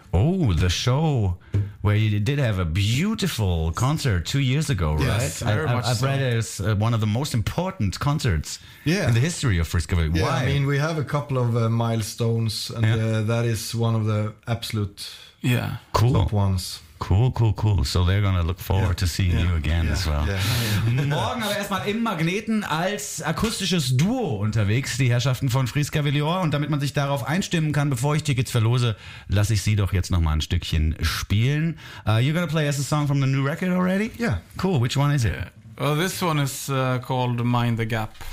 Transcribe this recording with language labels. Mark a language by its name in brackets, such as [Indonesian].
[English] Oh, the show where you did have a beautiful concert 2 years ago, yes, right? Yes, I've read it as one of the most important concerts in the history of Frisco. Yeah, why? I mean, we have a couple of milestones, and that is one of the absolute top ones. Cool. So they're gonna look forward to seeing you again as well. Yeah. [German] Morgen aber erstmal im Magneten als akustisches Duo unterwegs, die Herrschaften von Frisca Velior. Und damit man sich darauf einstimmen kann, bevor ich Tickets verlose, lasse ich sie doch jetzt nochmal ein Stückchen spielen. [English] You're gonna play us a song from the new record already? Yeah. Cool, which one is it? Well, this one is called Mind the Gap.